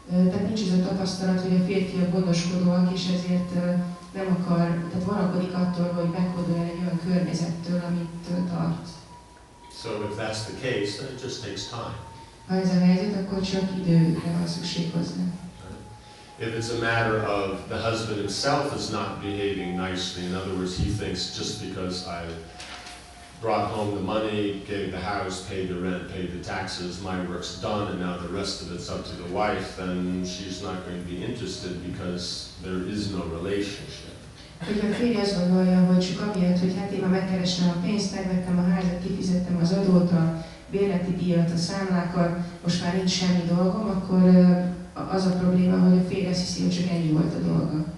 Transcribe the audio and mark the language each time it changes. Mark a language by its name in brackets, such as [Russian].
[Hungarian] Tehát nincs ez a tapasztalat, hogy a férfi a gondoskodóak, és ezért nem akar, tehát valakodik attól, hogy meghódol el egy olyan környezettől, amit tart. [English] So if that's the case, then it just takes time. [Hungarian] Ha ez a helyzet, akkor csak időre van szükség hozzá. [English] If it's a matter of the husband himself is not behaving nicely, in other words, he thinks just because I brought home the money, gave the house, paid the rent, paid the taxes, my work's done, and now the rest of it's up to the wife, then she's not going to be interested because there is no relationship. [Hungarian] Hogy a férj azt gondolja, hogy csak amiatt, hogy hát én ha megkeresem a pénzt, megvettem a házat, kifizettem az adót, a bérleti díjat, a számlákat, most már nincs semmi dolgom, akkor az a probléma, hogy a férj azt hiszi, hogy csak ennyi volt a dolga.